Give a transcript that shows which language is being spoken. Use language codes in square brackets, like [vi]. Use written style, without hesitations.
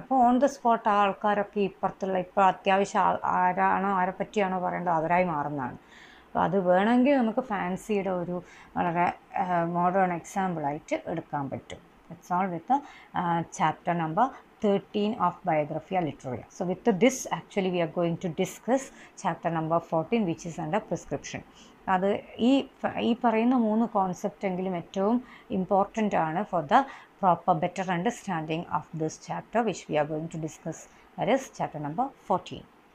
[ml] അപ്പോൾ on the spot ആ ആൾക്കാരൊക്കെ ഇപ്പുറത്തുള്ള ഇപ്പോൾ അത്യാവശ്യം ആരാണോ ആരെ പറ്റിയാണോ പറയേണ്ടത് അവരായി മാറുന്നതാണ്. അപ്പോൾ അത് വേണമെങ്കിൽ നമുക്ക് ഫാൻസിയുടെ ഒരു വളരെ മോഡേൺ എക്സാമ്പിളായിട്ട് എടുക്കാൻ പറ്റും. [en] It's all with chapter number 13 of Biographia Literaria. So with this actually we are going to discuss chapter number 14 which is under prescription. [ml] അത് ഈ ഈ പറയുന്ന മൂന്ന് കോൺസെപ്റ്റെങ്കിലും ഏറ്റവും ഇമ്പോർട്ടൻ്റ് ആണ് [en] For the proper better understanding of this chapter which we are going to discuss that is chapter number 14.